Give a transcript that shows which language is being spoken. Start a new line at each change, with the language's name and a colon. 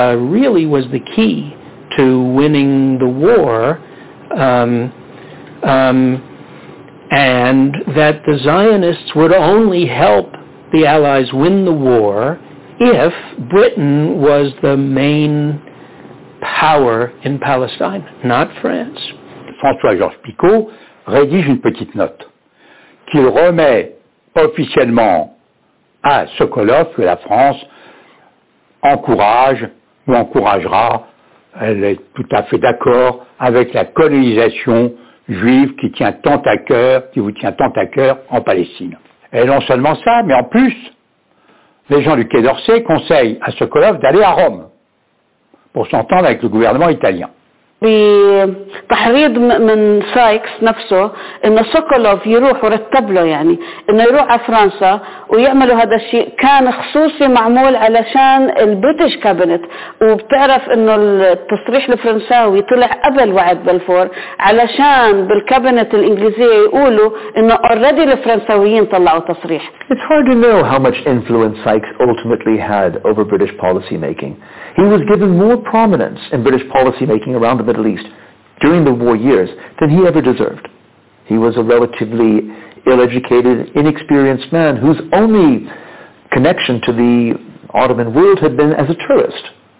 English: really was the key to winning the war, and that the Zionists would only help the Allies win the war if Britain was the main power in Palestine, not France.
French: François-Georges Picot rédige une petite note qu'il remet officiellement à Sokolov que la France encourage ou encouragera. Elle est tout à fait d'accord avec la colonisation juive qui tient tant à cœur, qui vous tient tant à cœur en Palestine. Et non seulement ça, mais en plus, les gens du Quai d'Orsay conseillent à Sokolov d'aller à Rome pour s'entendre avec le gouvernement italien.
Arabic: في تحريض من سايكس نفسه إنه سوكولوف يروح ورتب له يعني إنه يروح على فرنسا ويعملوا هذا الشيء كان خصوصي معمول علشان البريتش كابينت وبتعرف إنه التصريح الفرنساوي طلع قبل وعد بلفور علشان بالكابينت الإنجليزية يقولوا إنه
English: already
Arabic: الفرنساويين طلعوا تصريح.
English: It's hard to know how much influence Sykes ultimately had over British policy making. He was given more prominence in British policymaking around the Middle East during the war years than he ever deserved. He was a relatively ill-educated, inexperienced man whose only connection to the Ottoman world had been as a tourist.